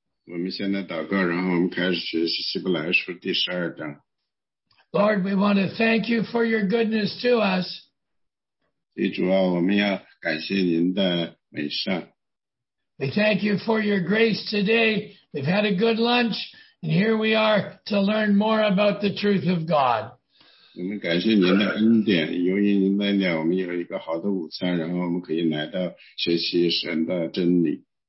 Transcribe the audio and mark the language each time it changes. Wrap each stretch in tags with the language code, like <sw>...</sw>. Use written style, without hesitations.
<zh>我们现在祷告，然后我们开始学习希伯来书第十二章。</zh> <en>Lord, we want to thank you for your goodness to us.</en> <zh>主啊，我们要感谢您的美善。</zh> <en>We thank you for your grace today. We've had a good lunch, and here we are to learn more about the truth of God.</en> <zh>我们感谢您的恩典，由于您的恩典，我们有一个好的午餐，然后我们可以来到学习神的真理。</zh>